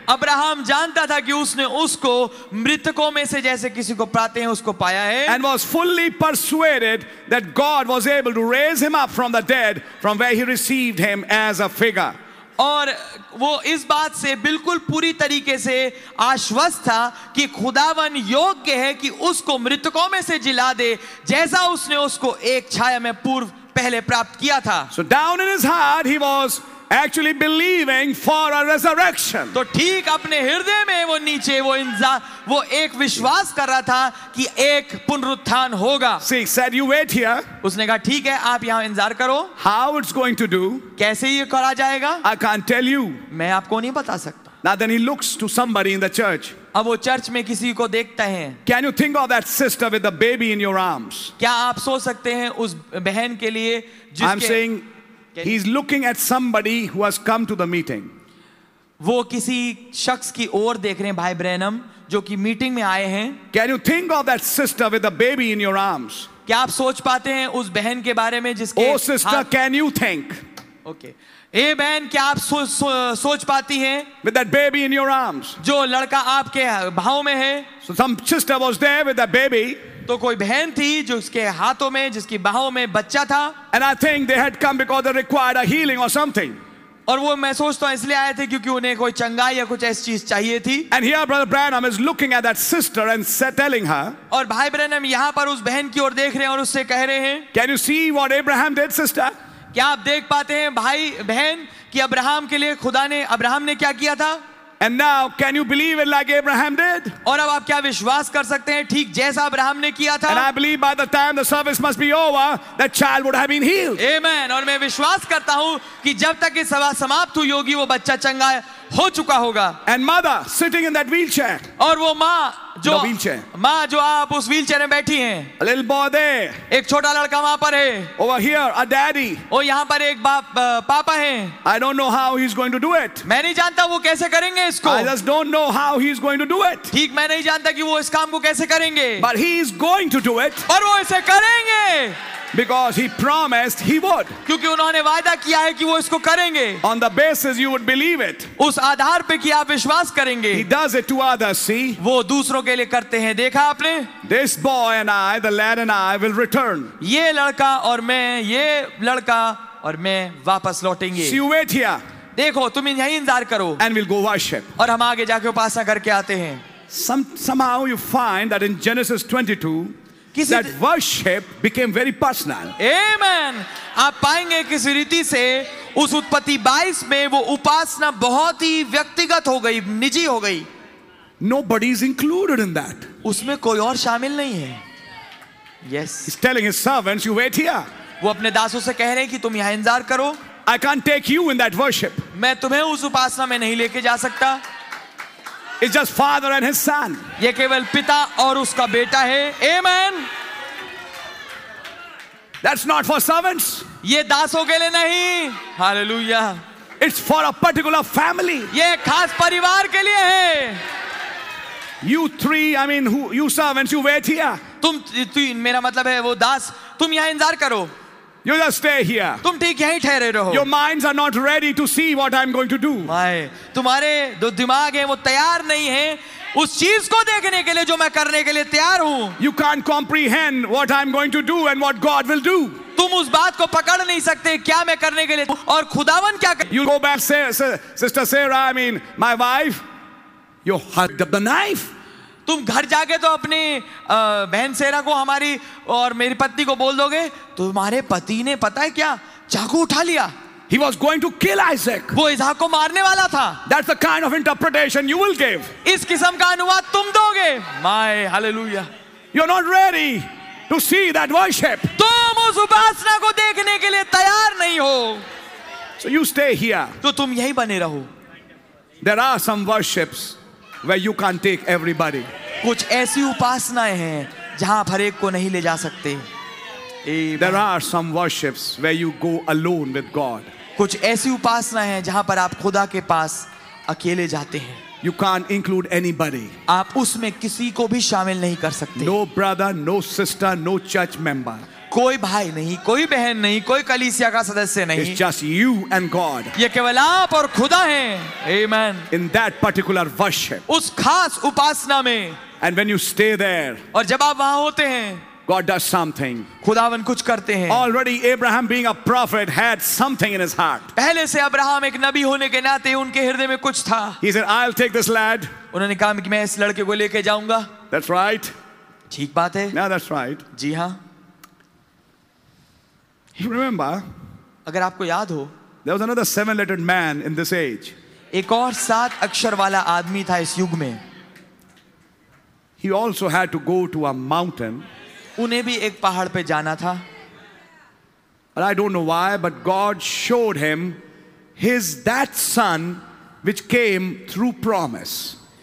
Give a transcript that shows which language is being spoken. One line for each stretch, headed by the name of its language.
Hindi: Abraham जानता था कि उसने उसको मृतकों में से जैसे किसी को पाते हैं उसको पाया है।
English: And was fully persuaded that God was able to raise him up from the dead from where he received him as a figure.
Hindi: और वो इस बात से बिल्कुल पूरी तरीके से आश्वस्त था कि खुदावन योग्य है कि उसको मृतकों में से जिला दे जैसा उसने उसको एक छाया में पूर्व पहले प्राप्त किया था।
English: So down in his heart he was actually believing for a resurrection.
Hindi: तो ठीक अपने हृदय में वो नीचे वो इंसान वो एक विश्वास कर रहा था कि एक पुनरुत्थान होगा।
English: See, he said, you wait here.
Hindi: उसने कहा ठीक है आप यहाँ इंतजार करो।
English: How it's going to do?
Hindi: कैसे ये करा जाएगा?
English: I can't tell you.
Hindi: मैं आपको नहीं बता सकता।
English: Now then he looks to somebody in the church.
Hindi: अब वो चर्च में किसी को देखता है।
English: Can you think of that sister with the baby in your arms?
Hindi: क्या आप सोच सकते हैं उस बहन के लिए जिसके?
English: I'm saying, he's looking at somebody who has come to the meeting.
Hindi: वो किसी शख्स की ओर देख रहे हैं भाई ब्रैनम जो कि मीटिंग में आए हैं।
English: Can you think of that sister with the baby in your arms?
Hindi: क्या आप सोच पाते हैं उस बहन के बारे में जिसके?
English: Oh sister, can you think?
Hindi: Okay. ए बहन क्या आप सोच पाती हैं?
English: With that baby in your arms.
Hindi: जो लड़का आपके भाव में है।
English: So some sister was there with that baby.
Hindi: तो कोई बहन थी जो उसके हाथों में जिसकी बाहों में बच्चा था।
English: And I think they had come because they required a healing or something.
Hindi: और वो मैं सोचता हूँ इसलिए आए थे क्योंकि उन्हें कोई चंगाई या कुछ ऐसी चीज चाहिए थी।
English: And here Brother Branham is looking at that sister and telling her.
Hindi: और भाई ब्रैनम यहाँ पर उस बहन की ओर देख रहे हैं और उससे कह रहे हैं।
English: Can you see what Abraham did, sister?
Hindi: क्या आप देख पाते हैं भाई बहन कि अब्राहम के लिए खुदा ने अब्राहम ने क्या किया था?
English: And now, can you believe it like Abraham did?
Hindi: और अब आप क्या विश्वास कर सकते हैं ठीक जैसा अब्राहम ने किया था?
English: And I believe by the time the service must be over, that child would have been healed. Amen.
Hindi: और मैं विश्वास करता हूँ कि जब तक ये सभा समाप्त हुई होगी वो बच्चा चंगा हो चुका होगा।
English: And mother sitting in that wheelchair.
Hindi: और वो माँ जो
English: the wheelchair.
Hindi: माँ जो आप उस व्हीलचेयर में बैठी हैं।
English: A little boy there.
Hindi: एक छोटा लड़का वहाँ पर है।
English: Over here, a daddy.
Hindi: और यहाँ पर एक बाप पापा हैं।
English: I don't know how he's going to do it.
Hindi: मैं नहीं जानता वो कैसे करेंगे इसको।
English: I just don't know how he's going to do it.
Hindi: ठीक मैं नहीं जानता कि वो इस काम को कैसे करेंगे।
English: But he is going to do it.
Hindi: और वो इसे करेंगे।
English: Because he promised he would.
Hindi: क्योंकि उन्होंने वादा किया है कि वो इसको करेंगे।
English: On the basis you would believe it.
Hindi: उस आधार पे कि आप विश्वास करेंगे।
English: He does it to others. See.
Hindi: वो दूसरों के लिए करते हैं। देखा आपने?
English: This boy and I, the lad and I, will return.
Hindi: ये लड़का और मैं वापस लौटेंगे।
English: See you wait here.
Hindi: देखो तुम यही इंतजार करो।
English: And we'll go worship.
Hindi: और हम आगे जाके उपासना करके आते हैं।
English: Somehow you find that in Genesis 22. That worship became very personal. Amen.
Hindi: आप पाएंगे किस रीति से उस उत्पत्ति 22 में वो उपासना बहुत ही व्यक्तिगत हो गई, निजी हो गई.
English: Nobody is included in that.
Hindi: उसमें कोई और शामिल नहीं है.
English: Yes. He's telling his servants, "You wait here."
Hindi: वो अपने दासों से कह रहे हैं कि तुम यहाँ इंतजार करो.
English: I can't take you in that worship.
Hindi: मैं तुम्हें उस उपासना में नहीं लेके जा सकता.
English: It's just father and his son.
Hindi: ये केवल पिता और उसका बेटा है.
English: Amen. That's not for servants.
Hindi: ये दासों के लिए नहीं. Hallelujah.
English: It's for a particular family.
Hindi: ये खास परिवार के लिए है.
English: You servants, you wait here.
Hindi: तुम मेरा मतलब है वो दास तुम यहाँ इंतजार करो.
English: You just stay here.
Hindi: तुम ठीक यहीं ठहरे रहो.
English: Your minds are not ready to see what I'm going to do.
Hindi: My, तुम्हारे जो दिमाग हैं वो तैयार नहीं हैं उस चीज को देखने के लिए जो मैं करने के लिए तैयार हूँ.
English: You can't comprehend what I'm going to do and what God will do.
Hindi: तुम उस बात को पकड़ नहीं सकते क्या मैं करने के लिए और खुदावन क्या कर.
English: You go back, sister Sarah. My wife. You hold up the knife.
Hindi: तुम घर जाके तो अपनी बहन सेरा को हमारी और मेरी पत्नी को बोल दोगे तुम्हारे पति ने पता है क्या चाकू उठा लिया.
English: He was going to kill Isaac.
Hindi: वो इसहाक को मारने वाला था.
English: That's the kind of interpretation you will give.
Hindi: इस किस्म का अनुवाद तुम दोगे.
English: My hallelujah. You're not ready to see that worship.
Hindi: तुम उस उपासना को देखने के लिए तैयार नहीं हो.
English: So you stay here.
Hindi: तो तुम यही बने रहो.
English: There are some worships where you can't take everybody.
Hindi: कुछ ऐसी उपासनाएं हैं जहां हर एक को नहीं ले जा सकते.
English: There are some worships where you go alone with God.
Hindi: कुछ ऐसी उपासनाएं हैं जहां पर आप खुदा के पास अकेले जाते हैं.
English: You can't include anybody.
Hindi: आप उसमें किसी को भी शामिल नहीं कर सकते.
English: No brother, no sister, no church member.
Hindi: कोई भाई नहीं, कोई बहन नहीं, कोई कलीसिया का सदस्य नहीं.
English: It's just you and God.
Hindi: ये केवल आप और खुदा हैं. Amen.
English: In that particular worship.
Hindi: उस खास उपासना में.
English: And when you stay there.
Hindi: और जब आप वहाँ होते हैं.
English: God does something.
Hindi: खुदावन कुछ करते हैं.
English: Already Abraham being a prophet had something in his heart.
Hindi: पहले से अब्राहम एक नबी होने के नाते उनके हृदय में कुछ था.
English: He said, "I'll take this lad."
Hindi: उन्होंने कहा कि मैं इस लड़के को लेके जाऊंगा.
English: That's right.
Hindi: ठीक बात है.
English: Now that's right.
Hindi: जी हाँ.
English: You remember?
Hindi: अगर आपको याद हो.
English: There was another seven-lettered man in this age.
Hindi: एक और सात अक्षर वाला आदमी था इस युग में.
English: He also had to go to a mountain.
Hindi: उन्हें भी एक पहाड़ पे जाना था.
English: And I don't know why, but God showed him his that son which came through promise.